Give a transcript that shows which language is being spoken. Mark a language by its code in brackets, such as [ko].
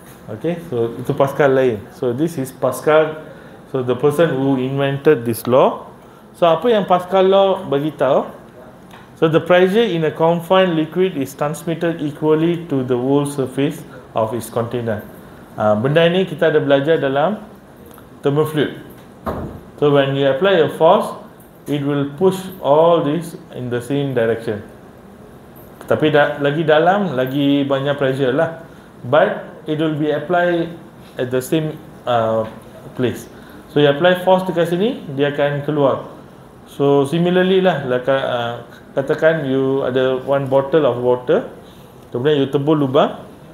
[en] Okay, so [ms] itu Pascal lain. [en] So this is Pascal. So the person who invented this law. [ms] So apa yang Pascal law beritahu? [en] So the pressure in a confined liquid is transmitted equally to the whole surface of its container. [ms] Benda ini kita ada belajar dalam thermofluid. [en] So when you apply a force, it will push all this in the same direction. [ms] Tapi lagi dalam, lagi banyak pressure lah. [en] But it will be applied at the same place. [ms] So [en] you apply force [ms] dekat sini, dia akan keluar. So similarly lah, katakan you ada one bottle of water, kemudian you tebur lubang.